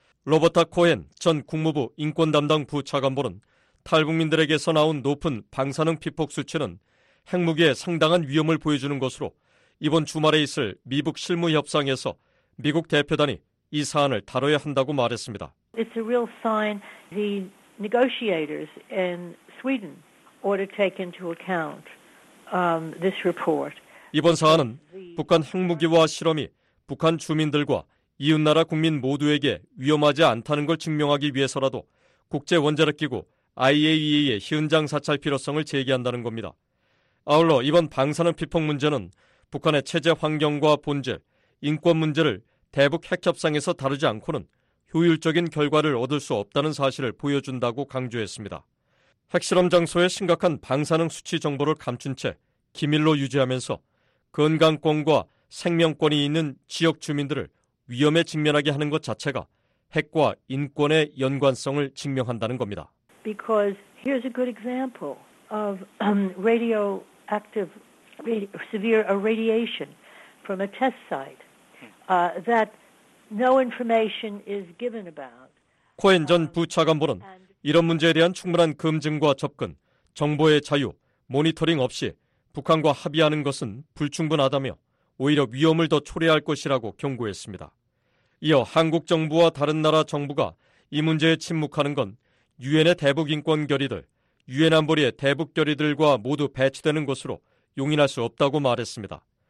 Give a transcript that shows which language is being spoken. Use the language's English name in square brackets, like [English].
[Korean] 로버타 코헨 전 국무부 인권 담당 부차관보는 탈북민들에게서 나온 높은 방사능 피폭 수치는 핵무기에 상당한 위험을 보여주는 것으로 이번 주말에 있을 미북 실무 협상에서 미국 대표단이 이 사안을 다뤄야 한다고 말했습니다. [English] It's a real sign the negotiators in Sweden ought to take into account this report. [Korean] 이번 사안은 북한 핵무기화 실험이 북한 주민들과 이웃나라 국민 모두에게 위험하지 않다는 걸 증명하기 위해서라도 국제원자력기구 IAEA의 현장 사찰 필요성을 제기한다는 겁니다. 아울러 이번 방사능 피폭 문제는 북한의 체제 환경과 본질, 인권 문제를 대북 핵협상에서 다루지 않고는 효율적인 결과를 얻을 수 없다는 사실을 보여준다고 강조했습니다. 핵실험 장소의 심각한 방사능 수치 정보를 감춘 채 기밀로 유지하면서 건강권과 생명권이 있는 지역 주민들을 위험에 직면하게 하는 것 자체가 핵과 인권의 연관성을 증명한다는 겁니다. [English] Because here's a good example of radioactive, severe irradiation from a test site that no information is given about. [Korean] 코헨 전 부차관보는 이런 문제에 대한 충분한 검증과 접근, 정보의 자유, 모니터링 없이 북한과 합의하는 것은 불충분하다며 오히려 위험을 더 초래할 것이라고 경고했습니다. 이어 한국 정부와 다른 나라 정부가 이 문제에 침묵하는 건 유엔의 대북인권결의들, 유엔 안보리의 대북결의들과 모두 배치되는 것으로 용인할 수 없다고 말했습니다.